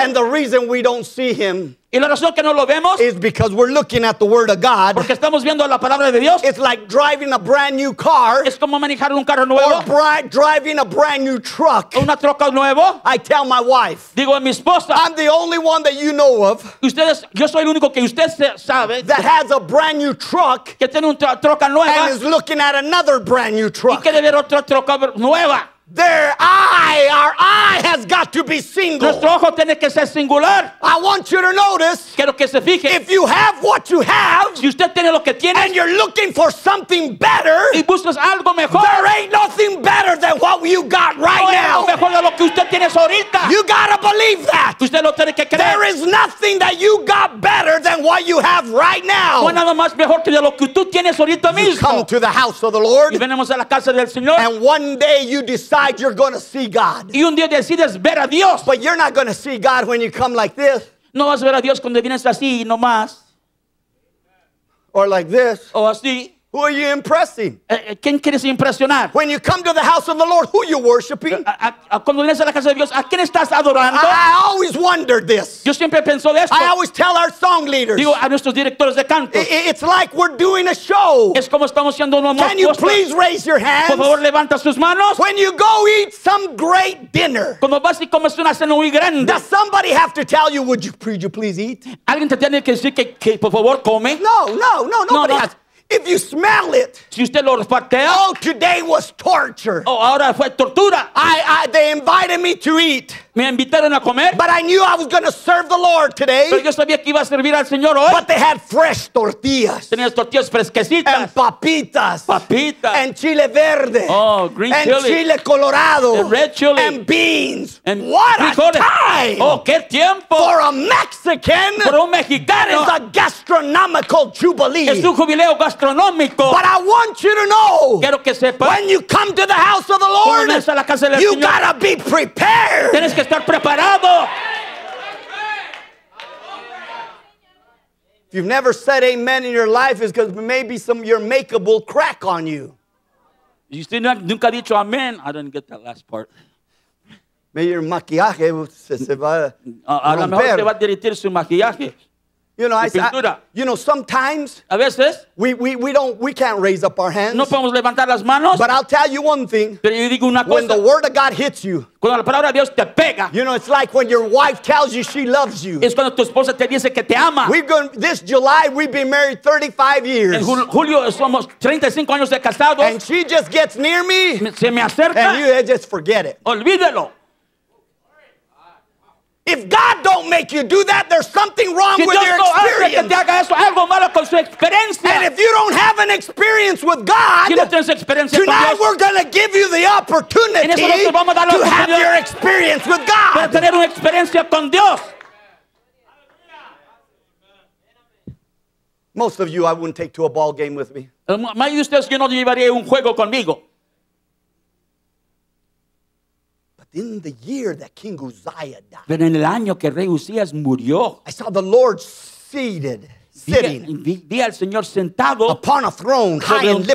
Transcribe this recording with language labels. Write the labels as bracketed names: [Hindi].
[English] And the reason we don't see him. [Spanish] Y la razón que no lo vemos [English] is because we're looking at the word of God. [Spanish] Porque estamos viendo la palabra de Dios. [English] It's like driving a brand new car. [Spanish] Es como manejar un carro nuevo. [English] Or driving a brand new truck. [Spanish] Una troca nuevo. [English] I tell my wife. [Spanish] Digo a mi esposa. [English] I'm the only one that you know of. [Spanish] Ustedes, yo soy el único que usted sabe. [English] That has a brand new truck. [Spanish] Que tiene una troca nueva. [English] And is looking at another brand new truck. [Spanish] Y quiere ver otra troca nueva. [English] Our eye has got to be single. [Spanish] Nuestro ojo tiene que ser singular. [English] I want you to notice. [Spanish] Quiero que se fije. [English] If you have what you have, [Spanish] si usted tiene lo que tiene, [English] and you're looking for something better, [Spanish] y buscas algo mejor, [English] there ain't nothing better than what you got right [Spanish] no [English] now. [Spanish] Es mejor de lo que usted tiene ahorita. [English] You gotta believe that. [Spanish] Usted lo tiene que creer. [English] There is nothing that you got better than what you have right now. [Spanish] No hay nada más mejor que de lo que tú tienes ahorita mismo. [English] You come to the house of the Lord. [Spanish] Y venimos a la casa del Señor. [English] And one day you decide. You're going to see God. [Spanish] Y un día decides ver a Dios. [English] But you're not going to see God when you come like this. [Spanish] No vas a ver a Dios cuando vienes así nomás. [English] Or like this. [Spanish] O así. [English] Who are you impressing? [Spanish] ¿Quién quieres impresionar? [English] When you come to the house of the Lord, who are you worshiping? [Spanish] Cuando vienes a la casa de Dios, ¿a quién estás adorando? [English] I always wondered this. [Spanish] Yo siempre pensó esto. [English] I always tell our song leaders. [Spanish] Digo a nuestros directores de canto. [English] It's like we're doing a show. [Spanish] Es como estamos haciendo una muestra. [English] Can you please raise your hands? [Spanish] Por favor, levanta sus manos. [English] When you go eat some great dinner. [Spanish] Cuando vas y comes una cena muy grande. [English] Does somebody have to tell you, would you please eat? [Spanish] ¿Alguien te tiene que decir que por favor come? [English] No, nobody has. If you smell it, [Spanish] si usted lo olfatea, [English] oh, today was torture. [Spanish] Oh, ahora fue tortura. [English] They invited me to eat. [Spanish] Me invitaron a comer. [English] But I knew I was going to serve the Lord today. [Spanish] Pero yo sabía que iba a servir al Señor hoy. [English] But they had fresh tortillas. [Spanish] Tenían tortillas fresquecitas. [English] And papitas. [Spanish] Papitas. [English] And chile verde. Oh, green and chili. And chile colorado. The red chili. And beans. And what frijoles. A time! [Spanish] Oh, qué tiempo! [English] For a Mexican. [Spanish] Por un mexicano. [English] It's a gastronomical jubilee. [Spanish] Es un jubileo gastronómico. [English] But I want you to know. [Spanish] Quiero que sepa. [English] When you come to the house of the Lord. [Spanish] Cuando vienes a la casa del Señor. [English] You gotta be prepared. [Spanish] Tienes que estar preparado. [English] If you've never said amen in your life, it's because maybe some your makeup will crack on you. You still [Spanish] nunca dicho amen. [English] I didn't get that last part. [Spanish] your maquillaje se va a romper. A lo mejor se va a derretir su maquillaje. [English] You know, sometimes [Spanish] a veces, [English] we can't raise up our hands. [Spanish] No podemos levantar las manos. [English] But I'll tell you one thing. [Spanish] Pero yo digo una cosa. [English] When the word of God hits you, [Spanish] cuando la palabra de Dios te pega, [English] you know, it's like when your wife tells you she loves you. [Spanish] Es cuando tu esposa te dice que te ama. [English] This July we've been married 35 years. [Spanish] En julio somos 35 años de casados. [English] And she just gets near me. [Spanish] Se me acerca. [English] And you just forget it. [Spanish] Olvídalo. [English] If God don't make you do that, there's something wrong with your experience. [Spanish] Eso, algo malo con su experiencia. [English] And if you don't have an experience with God, [Spanish] si no tienes experiencia [English] tonight we're going to give you the opportunity [Spanish] en eso nosotros vamos a dar la oportunidad [English] to have your experience with God. [Spanish] Para tener una experiencia con Dios. [English] Most of you, I wouldn't take to a ball game with me. [Spanish] Más de ustedes, yo no llevaría un juego conmigo. [English] In the year that King Uzziah died, [Spanish] pero en el año que Rey Uzías murió, [English] I saw the Lord seated, sitting, [Spanish] vi al Señor sentado [English] upon a throne, high and lifted